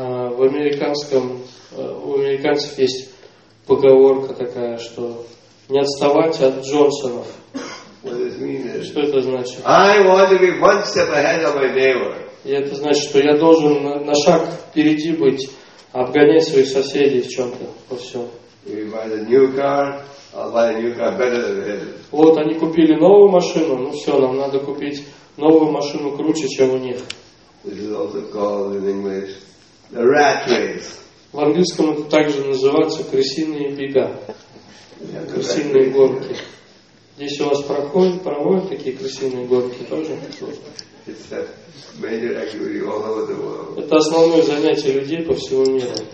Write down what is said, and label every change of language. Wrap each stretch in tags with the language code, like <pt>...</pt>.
<ru>У американцев есть поговорка такая, что не отставать от Джонсонов. Что это значит?</ru> <en>I want to be one step ahead of my neighbor.</en> <ru>И это значит, что я должен на шаг впереди быть, обгонять своих соседей в чем-то во всем.</ru> <en>You buy the new car, I'll buy a new car better than him.</en> <ru>Вот они купили новую машину, ну все, нам надо купить новую машину круче, чем у них.</ru> <en>This is also called in English the rat race.</en> <ru>В английском это также называется крысиные бега, крысиные гонки. Если у вас проводят такие крысиные гонки, тоже это основное занятие людей по всему миру.</ru>